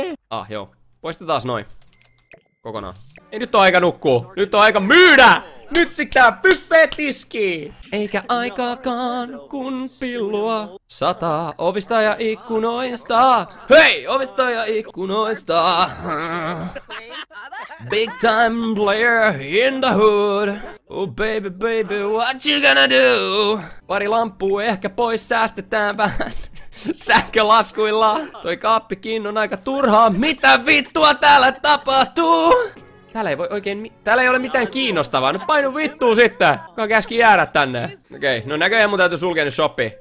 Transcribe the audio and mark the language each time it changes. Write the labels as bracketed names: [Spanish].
[Finnish] Ah, joo. Poista taas noin. Kokonaan. Ei, nyt on aika nukkuu. Nyt on aika myydä! Nyt sitten buffet iskii! Eikä aikaakaan kun pillua sataa ovista ja ikkunoista. Hei! Ovista ja ikkunoista. [English] Big time player in the hood. Oh baby baby, what you gonna do? [Finnish] Pari lamppua ehkä pois, säästetään vähän sähkölaskuilla. Toi kaappikin on aika turhaa. Mitä vittua täällä tapahtuu? Täällä ei voi oikein täällä ei ole mitään kiinnostavaa. No painu vittuun sitten. Kuka käski jäädä tänne? Okei, okay. No näköjään mun täytyy sulkea nyt shoppi.